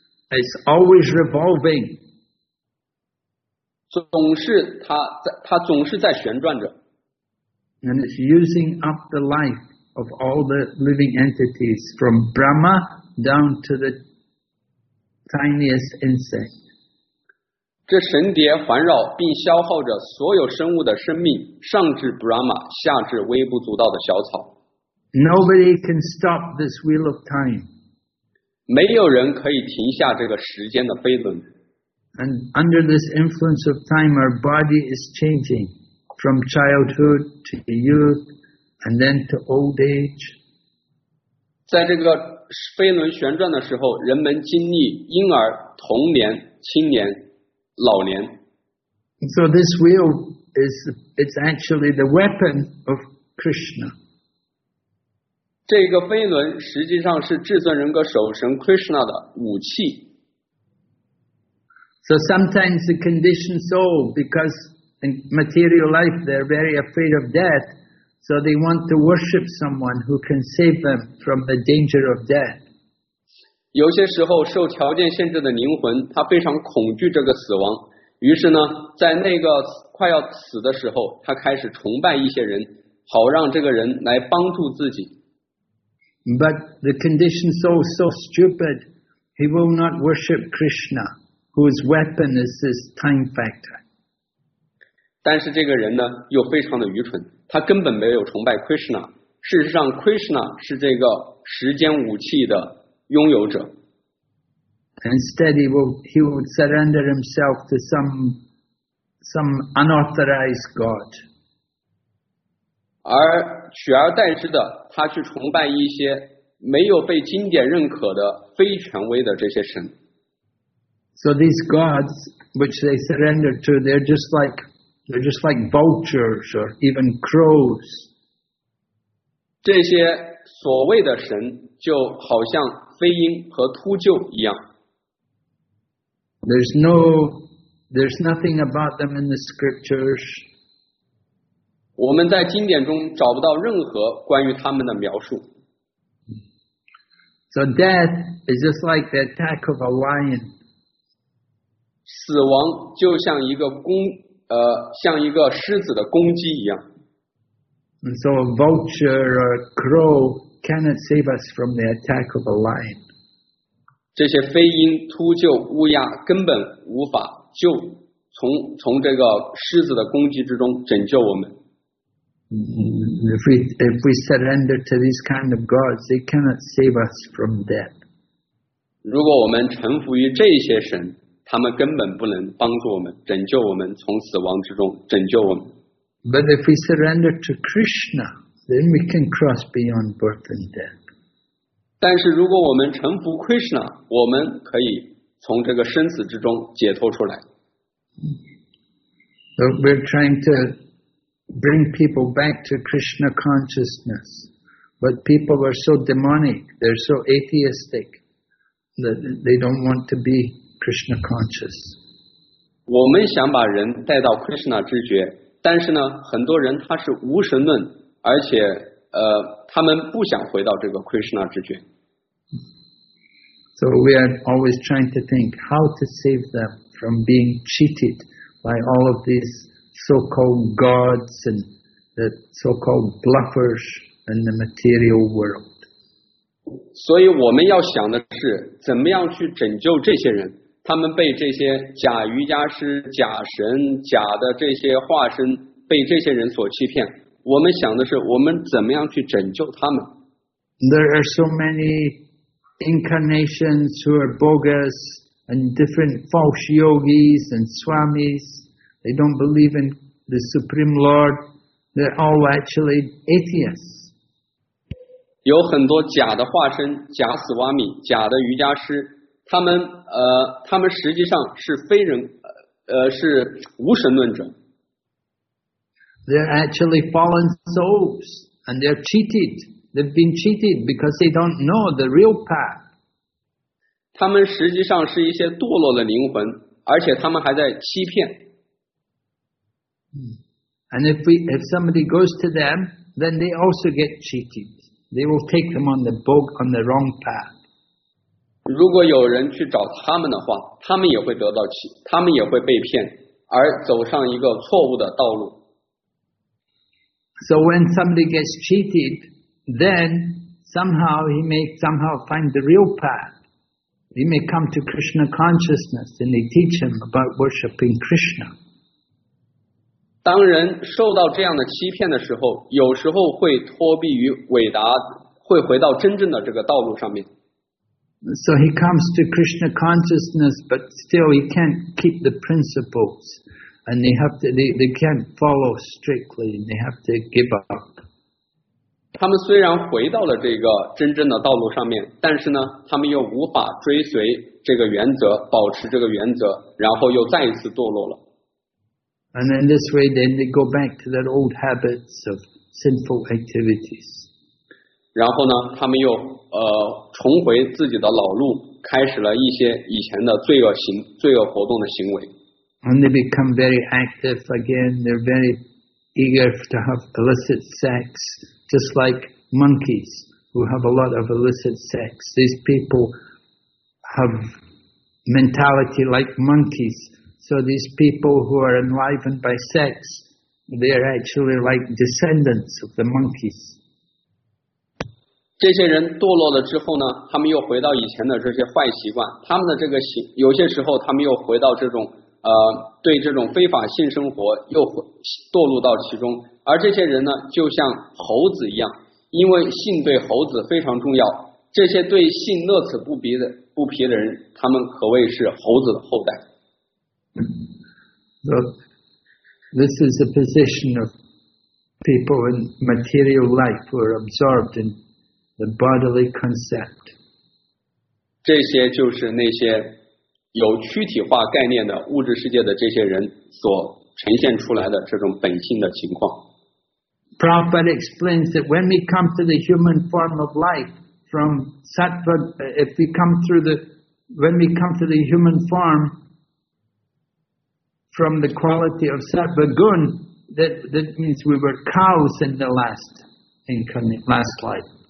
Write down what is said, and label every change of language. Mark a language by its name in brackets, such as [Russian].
[English] It's always revolving. [Chinese] 它总是在旋转着。 [English] And it's using up the life of all the living entities from Brahma down to the tiniest insect. [Chinese] 这神蝶环绕并消耗着所有生物的生命，上至 Brahma， 下至微不足道的小草。 [English] Nobody can stop this wheel of time. [Chinese] 没有人可以停下这个时间的飞轮。 [English] And under this influence of time, our body is changing from childhood to youth and then to old age. [Chinese] 在这个飞轮旋转的时候，人们经历婴儿、童年、青年、老年。 [English] So this wheel is actually the weapon of Krishna. [Chinese] 这个飞轮实际上是至尊人格守神 Krishna 的武器。 [English] So sometimes the conditioned soul, because in material life they're very afraid of death. So they want to worship someone who can save them from the danger of death. [Chinese] 有些时候受条件限制的灵魂，他非常恐惧这个死亡，于是呢，在那个快要死的时候，他开始崇拜一些人，好让这个人来帮助自己。 [English] But the conditioned soul is so stupid, he will not worship Krishna, whose weapon is this time factor. [Chinese] 但是这个人呢，又非常的愚蠢。他根本没有崇拜 Krishna， 事实上 Krishna 是这个时间武器的拥有者。 [English] Instead, he would surrender himself to some unauthorized god. [Chinese] 而取而代之的，他去崇拜一些没有被经典认可的非权威的这些神。 [English] So these gods, which they surrender to, they're just like vultures or even crows. [Chinese] 这些所谓的神就好像飞鹰和秃鹫一样。 [English] There's nothing about them in the scriptures. [Chinese] 我们在经典中找不到任何关于他们的描述。 [English] So death is just like the attack of a lion. [Chinese] 死亡就像一个攻像一个狮子的攻击一样。 [English] And so a vulture or a crow cannot save us from the attack of a lion. [Chinese] 这些飞鹰、秃鹫、乌鸦根本无法救从这个狮子的攻击之中拯救我们。 [English] If we surrender to these kind of gods, they cannot save us from death. [Chinese] 如果我们臣服于这些神，他们根本不能帮助我们，拯救我们从死亡之中，拯救我们。 [English] But if we surrender to Krishna, then we can cross beyond birth and death. [Chinese] 但是如果我们臣服 Krishna, 我们可以从这个生死之中解脱出来。 [English] So we're trying to bring people back to Krishna consciousness, but people are so demonic, they're so atheistic, that they don't want to be Krishna conscious. [Chinese] 我们想把人带到 Krishna 知觉。但是呢，很多人他是无神论，而且他们不想回到这个 Krishna 之觉。 [English] So we are always trying to think how to save them from being cheated by all of these so-called gods and the so-called bluffers in the material world. [Chinese] 所以我们要想的是，怎么样去拯救这些人。他们被这些假瑜伽师、假神、假的这些化身，被这些人所欺骗。我们想的是，我们怎么样去拯救他们 [English] ？There are so many incarnations who are bogus and different false yogis and swamis. They don't believe in the Supreme Lord. They're all actually atheists. [Chinese] 有很多假的化身、假斯瓦米、假的瑜伽师。他们实际上是非人，是无神论者。 [English] They're actually fallen souls, and they're cheated. They've been cheated because they don't know the real path. [Chinese] 他们实际上是一些堕落的灵魂，而且他们还在欺骗。 [English] And if somebody goes to them, then they also get cheated. They will take them on the wrong path. [Chinese] 如果有人去找他们的话，他们也会得到气，他们也会被骗，而走上一个错误的道路。 [English] So when somebody gets cheated, then somehow he may somehow find the real path. He may come to Krishna consciousness and they teach him about worshipping Krishna. [Chinese] 当人受到这样的欺骗的时候，有时候会脱避于伟达，会回到真正的这个道路上面。 [English] So he comes to Krishna consciousness, but still he can't keep the principles, and they can't follow strictly, and they have to give up. [Chinese] 他们虽然回到了这个真正的道路上面，但是呢，他们又无法追随这个原则，保持这个原则，然后又再一次堕落了。 [English] And in this way, then they go back to their old habits of sinful activities. [Chinese] 然后呢，他们又重回自己的老路，开始了一些以前的罪恶活动的行为。 [English] And they become very active again. They're very eager to have illicit sex, just like monkeys who have a lot of illicit sex. These people have mentality like monkeys. So these people who are enlivened by sex, they are actually like descendants of the monkeys. [Chinese] 这些人堕落了之后呢，他们又回到以前的这些坏习惯，他们的这个行，有些时候他们又回到这种对这种非法性生活又堕入到其中，而这些人呢就像猴子一样，因为性对猴子非常重要，这些对性乐此不疲的人，他们可谓是猴子的后代。 [English] So, this is the position of people in material life who are absorbed inThe bodily concept. [Chinese] 这些就是那些有躯体化概念的物质世界的这些人所呈现出来的这种本性的情况。 [English] Prabhupada explains that when we come to the human form of life from sattva, if we come through the, when we come to the human form from the quality of sattva gun, that means we were cows in the last life.